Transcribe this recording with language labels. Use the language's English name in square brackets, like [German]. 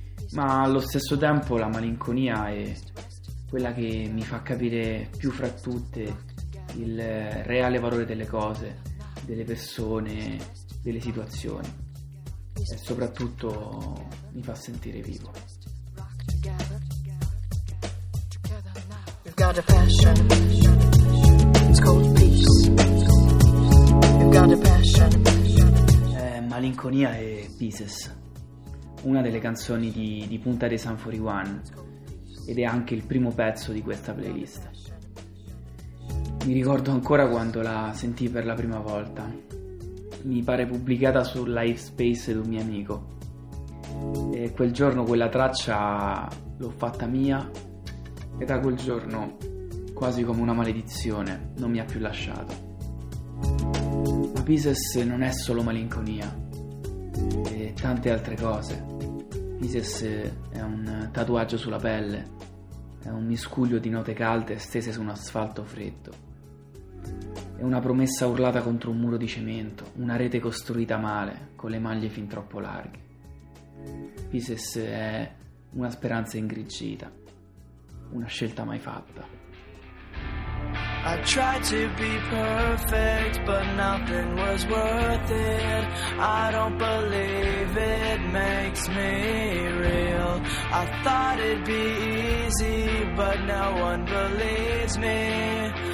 [Italian] Ma allo stesso tempo la malinconia è quella che mi fa capire più fra tutte il reale valore delle cose, delle persone, delle situazioni, e soprattutto mi fa sentire vivo. [English] You've got a passion, it's called peace. You've got a passion. [Italian] Malinconia e Pieces, una delle canzoni di punta dei Sum 41, ed è anche il primo pezzo di questa playlist. Mi ricordo ancora quando la sentii per la prima volta. Mi pare pubblicata sul live space di un mio amico. E quel giorno quella traccia l'ho fatta mia. E da quel giorno, quasi come una maledizione, non mi ha più lasciato. Ma Pieces non è solo malinconia. E tante altre cose. Pieces è un tatuaggio sulla pelle. È un miscuglio di note calde stese su un asfalto freddo. È una promessa urlata contro un muro di cemento, una rete costruita male, con le maglie fin troppo larghe. Pieces è una speranza ingrigita, una scelta mai fatta. [English] I tried to be perfect, but nothing was worth it. I don't believe it makes me real. I thought it'd be easy, but no one believes me.